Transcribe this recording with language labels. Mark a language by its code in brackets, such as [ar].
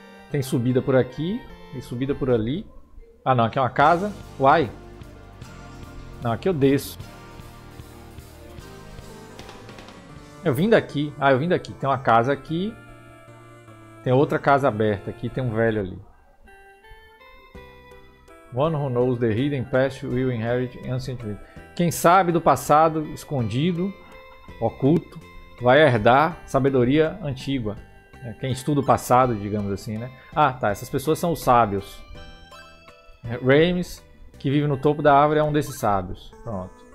[pt] Tem subida por aqui. E subida por ali. Ah, não. Aqui é uma casa. Uai. Não, aqui eu desço. Eu vim daqui. Ah, eu vim daqui. Tem uma casa aqui. Tem outra casa aberta aqui. Tem um velho ali. [en] One who knows the hidden past will inherit ancient wisdom. [pt] Quem sabe do passado escondido, oculto, vai herdar sabedoria antiga. Quem estuda o passado, digamos assim, né? Ah, tá. Essas pessoas são os sábios. Raimis, que vive no topo da árvore, é um desses sábios. Pronto.